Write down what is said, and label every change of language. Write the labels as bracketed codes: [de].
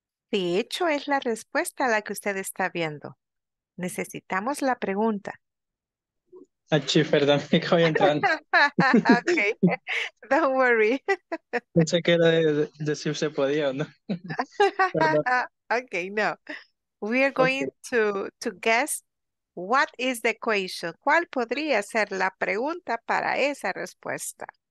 [es] De hecho, es la respuesta a la que usted está viendo. Necesitamos la pregunta. Achí, perdón, me voy entrando. [en] Ok, don't worry. [es] Pensé que era de si se podía o no. Ok, no. [en] We are going to guess what is the question. [es] ¿Cuál podría ser la pregunta para esa respuesta?